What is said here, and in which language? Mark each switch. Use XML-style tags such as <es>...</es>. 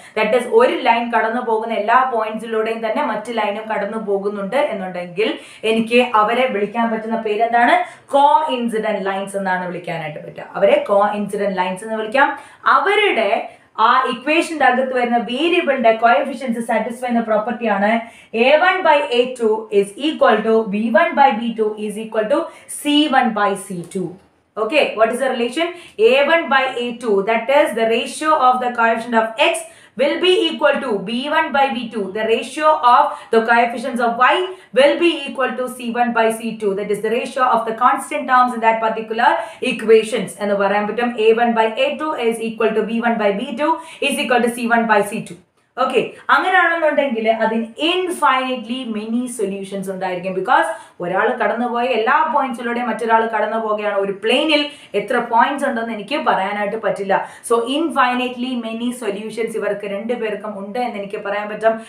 <ml>That is ഒരു line കടന്നു പോകുന്ന എല്ലാ പോയിന്റ്സിലൂടെയും തന്നെ മറ്റു ലൈനും കടന്നു പോകുന്നുണ്ട് എന്നുണ്ടെങ്കിൽ എനിക്ക് അവരെ വിളിക്കാൻ പറ്റുന്ന പേരെന്താണ്, കോ ഇൻസിഡന്റ് ലൈൻസ് എന്നാണ് വിളിക്കാനായിട്ട് പറ്റുക. അവരെ കോ ഇൻസിഡന്റ് ലൈൻസ് എന്ന് വിളിക്കാം. അവരുടെ ആ ഇക്വേഷന്റെ അകത്ത് വരുന്ന വേരിയബിളിന്റെ കോയഫിഷ്യൻസ് സാറ്റിസ്ഫൈ ചെയ്യുന്ന പ്രോപ്പർട്ടിയാണ്</ml> <en>A one by A two is equal to B one by B two is equal to C one by C two. Okay, what is the relation? A one by A two that is the ratio of the coefficient of X will be equal to b1 by b2 the ratio of the coefficients of y will be equal to c1 by c2 that is the ratio of the constant terms in that particular equations and the parameter a1 by a2 is equal to b1 by b2 is equal to c1 by c2.</en> <ml>Okay, അങ്ങനെയാണെന്നുണ്ടെങ്കിൽ അതിന് infinitely many solutions ഉണ്ടായിരിക്കും. Because ഒരാൾ കടന്നുപോയ എല്ലാ പോയിന്റ്സിലൂടെ മറ്റൊരാൾ കടന്നു പോകുകയാണ്, ഒരു പ്ലെയിനിൽ എത്ര പോയിന്റ്സ് ഉണ്ടെന്ന് എനിക്ക് പറയാനായിട്ട് പറ്റില്ല. സോ ഇൻഫൈനൈറ്റ്ലി മെനി സൊല്യൂഷൻസ് ഇവർക്ക് രണ്ടുപേർക്കും ഉണ്ട് എന്ന് എനിക്ക് പറയാൻ പറ്റും.</ml>